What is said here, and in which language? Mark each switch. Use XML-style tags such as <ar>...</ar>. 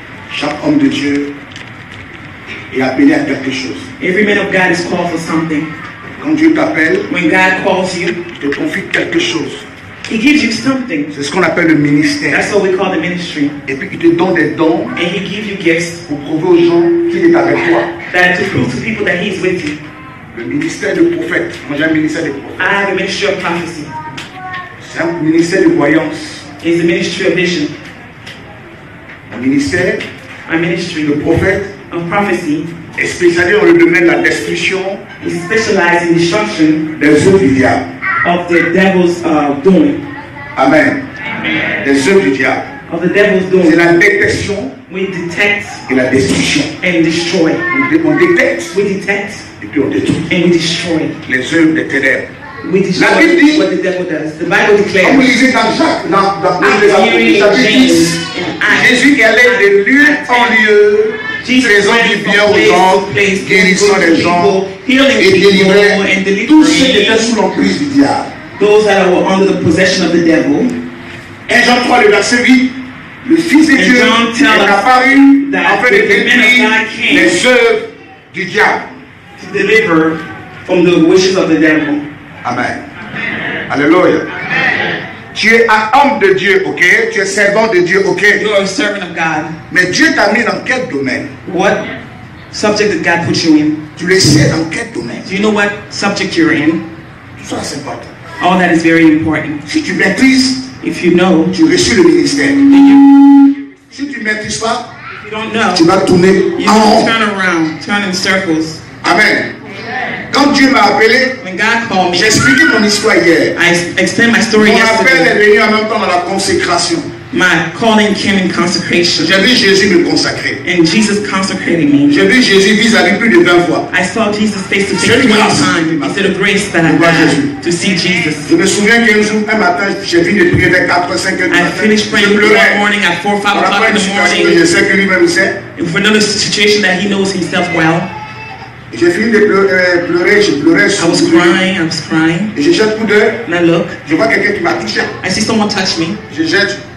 <fr>Chaque homme de Dieu est appelé à quelque chose.</fr> <en>Every man of God is called for something.</en> <fr>Quand Dieu t'appelle,</fr> <en>when God calls you,</en> <fr>il te confie quelque chose.</fr> <en>He gives you something.</en> <fr>C'est ce qu'on appelle le ministère.</fr> <en>That's what we call the ministry.</en> <fr>Et puis il te donne des dons.</fr> <en>And he gives you gifts.</en> <fr>Pour prouver aux gens qu'il est avec toi.</fr> <en>That to prove to people that he is with you.</en> <fr>Le ministère de prophète. Moi j'ai un ministère de prophète.</fr> <en>I have a ministry of prophecy.</en> <fr>C'est un ministère de voyance.</fr> <en>It's a ministry of vision. I'm ministering a prophet, a prophecy, especially on</en> <fr>le domaine de la destruction,</fr> <en>a specialized instruction</en> <fr>des œuvres du diable,</fr> <en>of the devil's doing. Amen.</en> <fr>Des œuvres du diable.</fr> <en>Of the devil's doing.</en> <fr>C'est la détection.</fr> <en>We detect.</en> <fr>Et la destruction.</fr> <en>And destroy.</en> <fr>On détecte.</fr> <en>We detect.</en> <fr>Et puis on détruit.</fr> <en>And we destroy.</en> <fr>Les œuvres des ténèbres.</fr> <en>We destroy.</en> <fr>La Bible dit.</fr> <en>What the devil does. The Bible declares.</en> <fr>Quand vous lisez dans Jacques, dans Jésus qui allait de lieu en lieu, faisant du bien aux gens, guérissant les gens, et délivrant tous ceux qui étaient sous l'emprise du diable.</fr> <en>Those that were under the possession of the devil.</en> <fr>Et Jean 3, le verset 8, le Fils de Dieu est apparu afin de détruire les œuvres du diable.</fr> <en>To deliver from the wishes of the devil. Amen. Amen. Alléluia. Amen.</en> <fr>Tu es un homme de Dieu, ok? Tu es servant de Dieu, ok?</fr> <en>You are a servant of God.</en> <fr>Mais Dieu t'a mis dans quel domaine?</fr> <en>What subject did God put you in?</en> <fr>Tu le sais dans quel domaine?</fr> <en>Do you know what subject you're in?</en> <fr>Tout ça, c'est important.</fr> <en>All that is very important.</en> <fr>Si tu maîtrises,</fr> <en>if you know,</en> <fr>tu reçois le ministère.</fr> <en>Thank you.</en> <fr>Si tu maîtrises pas,</fr> <en>if you don't know,</en> <fr>tu vas tourner</fr> <en>you</en> <fr>en rond.</fr> <en>Turn around, turn in circles.</en> <fr>Amen. Quand Dieu m'a appelé,</fr> <en>when God called me,</en> <fr>j'ai expliqué mon histoire hier.</fr> <en>I explained my story</en> <fr>mon</fr> <en>yesterday.</en> <fr>Mon appel est venu en même temps à la consécration.</fr> <en>My calling came in consecration.</en> <fr>J'ai vu Jésus me consacrer.</fr> <en>And Jesus consecrated me.</en> <fr>J'ai vu Jésus vis-à-vis plus de 20 fois.</fr> <en>I saw Jesus face to face 20 times.</en> <fr>C'est la grâce que j'ai</fr> <en>To see Jesus.</en> <fr>Je me souviens qu'un jour, un matin, j'ai fini de prier vers 4-5 heures du matin.</fr> <en>I finished praying one morning at 4-5 o'clock in the morning.</en> <fr>Je sais que lui-même sait.</fr> <en>And for another situation that he knows himself well.</en> <fr>J'ai fini de pleurer, je pleurais.</fr> <en>I was crying, I was crying.</en> <fr>Et je jette coup d'œil.</fr> <en>And I look.</en> <fr>Je vois quelqu'un qui m'a touché.</fr> <en>I see someone touch me.</en> <fr>Je jette.</fr>